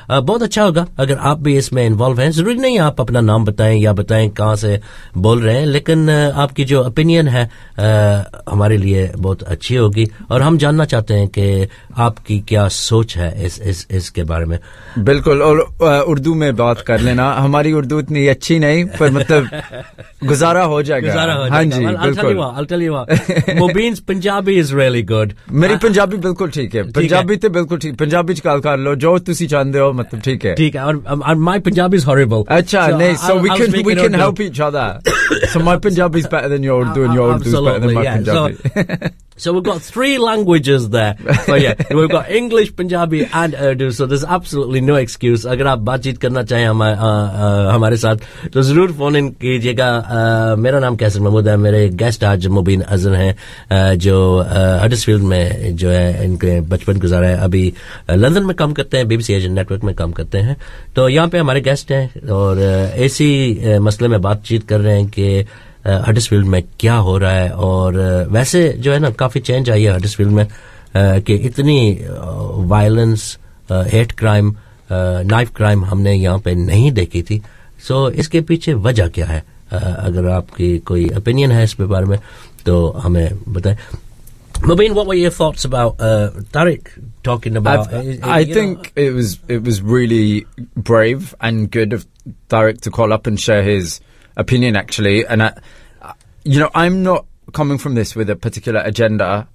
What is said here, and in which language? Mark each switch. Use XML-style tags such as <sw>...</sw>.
<hi>बहुत अच्छा होगा अगर आप भी इसमें इन्वॉल्व हैं. जरूरी नहीं आप अपना नाम बताएं या बताएं कहाँ से बोल रहे हैं, लेकिन आपकी जो ओपिनियन है हमारे लिए बहुत अच्छी होगी, और हम जानना चाहते हैं कि आपकी क्या सोच है इसके बारे में. बिल्कुल, और उर्दू में बात कर लेना. हमारी उर्दू इतनी अच्छी नहीं, पर मतलब गुजारा हो जाएगा. हाँ जी, बिल्कुल.</hi> <en>I'll tell you what, Mubeen's Punjabi is really good.</en> <hi>मेरी पंजाबी बिल्कुल ठीक है. पंजाबी तो बिल्कुल ठीक. पंजाबी चकाल कर लो</hi> <pa>जो तुसी चांदे हो,</pa> <hi>मतलब ठीक है. ठीक है. और</hi> <en>my Punjabi is horrible.</en> <hi>अच्छा, नहीं.</hi> <en>So we can help each other. So my Punjabi is better than your Urdu, and your Urdu is better than my Punjabi. So we've got three languages there. So yeah, we've got English, Punjabi and Urdu. So there's absolutely no excuse.</en> <hi>Agar aap baatcheet karna chahe hamare saath, to zaroor phone in kijiyega. Mera naam Kaisar Mahmood hai. Mere guest aaj Mubeen Azhar hain, jo Huddersfield mein jo hai inke bachpan guzara hai. Abhi London mein kaam karte hain, BBC Asian Network mein kaam karte hain. To yahan pe hamare guest hain aur aisi masle mein baatcheet kar rahe hain ki Huddersfield में क्या हो रहा है. और वैसे जो है ना, काफी चेंज आई है हडिसफील्ड में कि इतनी violence, hate crime, knife crime हमने यहाँ पे नहीं देखी थी. सो इसके पीछे वजह क्या है? अगर आपकी कोई ओपिनियन है इस बारे में तो हमें बताएं.</hi> <en>Mubeen, what were your thoughts about Tariq talking about? I think it was really brave and good of Tariq to call up and share his opinion, actually. And I'm not coming from this with a particular agenda.</en>